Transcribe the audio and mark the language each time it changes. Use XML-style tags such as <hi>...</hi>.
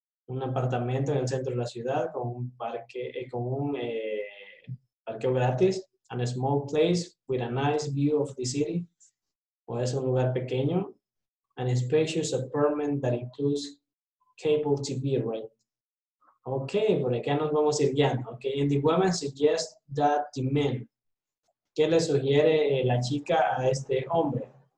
<es>Un apartamento en el centro de la ciudad con un parque, con un parqueo gratis.</es> <en>And a small place with a nice view of the city.</en> <es>O es un lugar pequeño.</es> <en>An spacious apartment that includes cable TV, right? Okay,</en> <es>por acá nos vamos a ir guiando.</es> <en>Okay, and the woman suggests that the man.</en> <es>¿Qué le sugiere la chica a este hombre?</es>